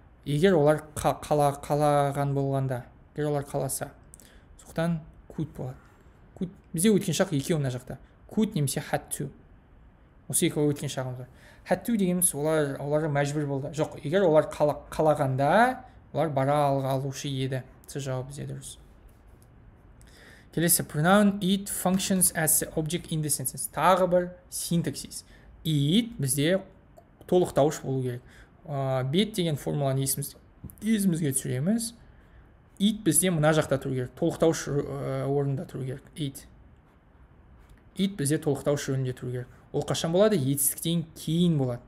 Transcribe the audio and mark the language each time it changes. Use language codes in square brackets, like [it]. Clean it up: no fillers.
[kk] Егер олар қалаған болғанда, егер олар қаласа, соқтан could болады. Could, бізде өткен шақ екеуі мына жақта. [en] Could немесе had to. [kk] Осы екеуі өткен шағымыз. Had to дегеніміз олар мәжбүр болды. Жоқ, егер олар қалағанда, олар бара алушы еді. Сіз жауап бізде дұрыс. [en] Келесі, pronoun it functions as the object in the sentence. [kk] Тағы бір синтаксис. It бізде толықтауыш болу керек. Бет деген формуланы есімізге түсіреміз. It бізде мына жақта тұру керек. Толықтауыш орнында тұру керек. [en] It. [kk] It бізде толықтауыш орнында тұру керек. Ол қашан болады? Етістіктен кейін болады.